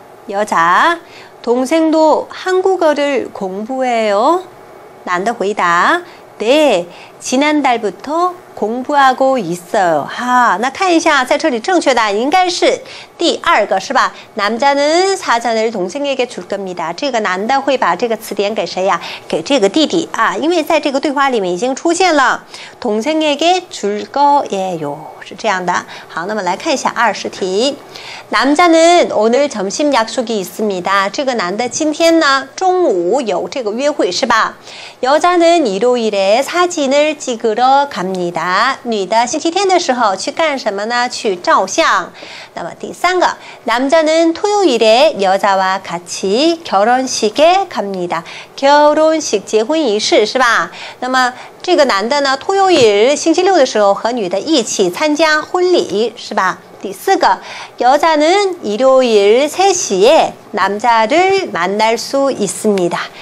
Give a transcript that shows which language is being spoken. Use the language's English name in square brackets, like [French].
[Korean] 여자, 동생도 한국어를 공부해요? [Chinese] 男的回答, [Korean] 네, 지난달부터 공부하고 있어요. [Chinese] 하, 那看一下,在这里正确的应该是第二个,是吧? [Korean] 남자는 사전을 동생에게 줄 겁니다. [Chinese] 这个男的会把这个词典给谁呀?给这个弟弟,因为在这个对话里面已经出现了, [Korean] 동생에게 줄 거예요. [Chinese] 是这样的.好, 那么来看一下20题. [Korean] 남자는 오늘 점심 약속이 있습니다. [Chinese] 这个男的今天呢,中午有这个约会,是吧? [Korean] 여자는 일요일에 사진을 찍으러 갑니다. [Chinese] 女的星期天的时候去干什么呢?去照相. 那么第三个, [Korean] 남자는 토요일에 여자와 같이 결혼식에 갑니다. [Chinese] 결혼식,结婚仪式,是吧? 那么, 这个男的呢, [Korean] 토요일, [Chinese] 星期六的时候和女的一起参加婚礼,是吧? 第四个, [Korean] 여자는 일요일 3시에 남자를 만날 수 있습니다.